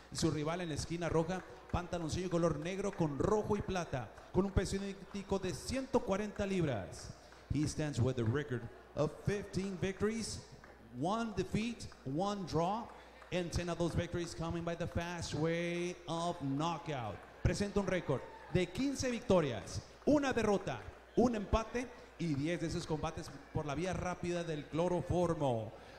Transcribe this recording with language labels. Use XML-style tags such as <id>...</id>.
<es>Su rival en la esquina roja, pantaloncillo color negro con rojo y plata, con un peso idéntico de 140 libras.</es> <en>He stands with a record of 15 victories, one defeat, one draw, and 10 of those victories coming by the fast way of knockout.</en> <es>Presenta un récord de 15 victorias, una derrota, un empate, y 10 de esos combates por la vía rápida del cloroformo.</es>